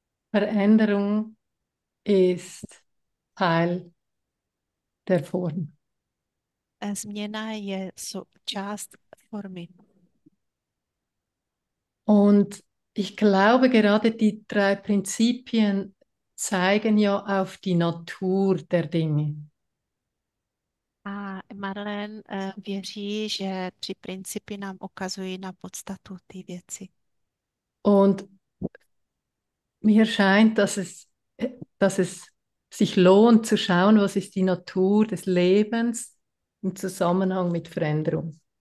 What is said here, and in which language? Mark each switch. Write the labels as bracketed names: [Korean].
[German] Veränderung ist Teil der Form. [Czech] Změna je so část formy. [German] Und ich glaube, gerade die drei Prinzipien zeigen ja auf die Natur der Dinge. [Czech] A Marlene věří, že tři principy nám ukazují na podstatu té věci. [German] Und mir scheint, dass es sich lohnt zu schauen, was ist die Natur des Lebens im Zusammenhang mit Veränderung.